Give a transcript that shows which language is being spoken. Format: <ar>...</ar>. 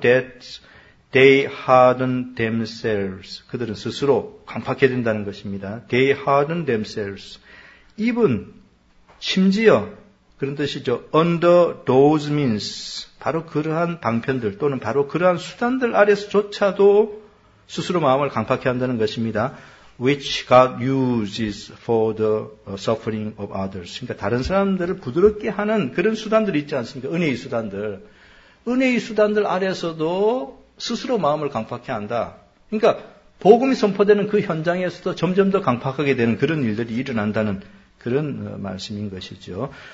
<en>that they harden themselves</en> <ko>그들은 스스로 강팍해 된다는 것입니다.</ko> <en>they harden themselves</en> <ko>입은 심지어 그런 뜻이죠.</ko> <en>Under those means</en> <ko>바로 그러한 방편들 또는 바로 그러한 수단들 아래서조차도 스스로 마음을 강팍해 한다는 것입니다.</ko> <en>Which God uses for the suffering of others.</en> <ko>그러니까 다른 사람들을 부드럽게 하는 그런 수단들이 있지 않습니까? 은혜의 수단들. 은혜의 수단들 아래서도 스스로 마음을 강팍해 한다. 그러니까 복음이 선포되는 그 현장에서도 점점 더 강팍하게 되는 그런 일들이 일어난다는 그런 말씀인 것이죠.</ko>